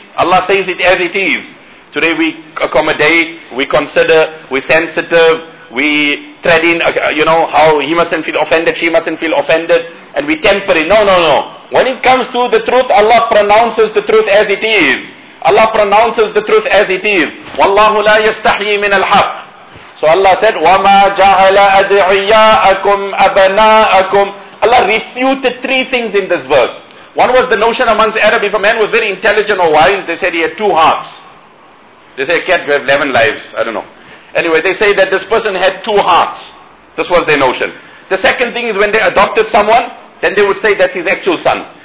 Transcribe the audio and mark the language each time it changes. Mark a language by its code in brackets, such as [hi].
[en] Allah says it as it is. Today we accommodate, we consider, we sensitive, we tread in, you know, how he mustn't feel offended, she mustn't feel offended, and we temper it. No. When it comes to the truth, Allah pronounces the truth as it is. Allah pronounces the truth as it is. [ar] Wallahu la yastahi min al-haq. [en] So Allah said, [ar] وَمَا جَعَلَ أَدْعِيَاءَكُمْ أَبَنَاءَكُمْ. [en] Allah refuted three things in this verse. One was the notion amongst Arab, if a man was very intelligent or wise, they said he had two hearts. They say a cat could have 11 lives, I don't know. Anyway, they say that this person had two hearts. This was their notion. The second thing is when they adopted someone, then they would say that's his actual son.